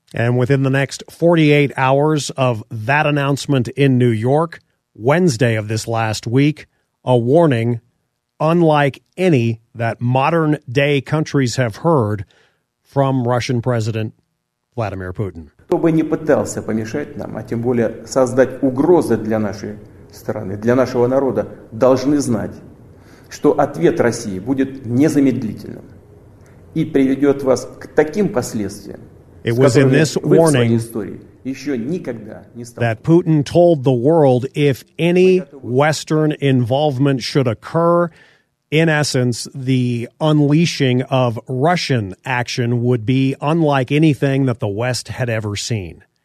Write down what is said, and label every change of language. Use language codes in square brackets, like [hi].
[en] And within the next 48 hours of that announcement in New York, Wednesday of this last week, a warning unlike any that modern day countries have heard from Russian President Vladimir Putin. [ru] Кто бы не пытался помешать нам, а тем более создать угрозы для нашей страны, для нашего народа, должны знать, что ответ России будет незамедлительным и приведет вас к таким последствиям, [en] It was in this warning that Putin told the world if any Western involvement should occur, in essence, the unleashing of Russian action would be unlike anything that the West had ever seen.